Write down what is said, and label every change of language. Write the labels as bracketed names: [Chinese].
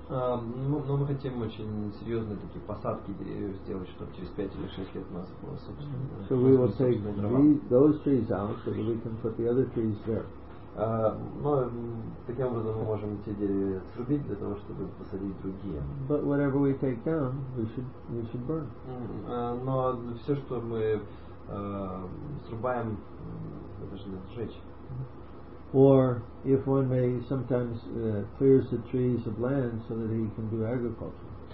[Russian] Но мы хотим очень серьезные такие посадки деревьев сделать, чтобы через 5 или 6 лет у нас было собственно. [English] So we will take those trees out so that we can put the other trees there. [Russian] Но таким образом мы можем эти деревья срубить для того, чтобы посадить другие. [English] But whatever we take down, we should burn. [Russian] Но все, что мы срубаем, мы должны сжечь. [English] Or if one may sometimes clears the trees of land so that he can do agriculture.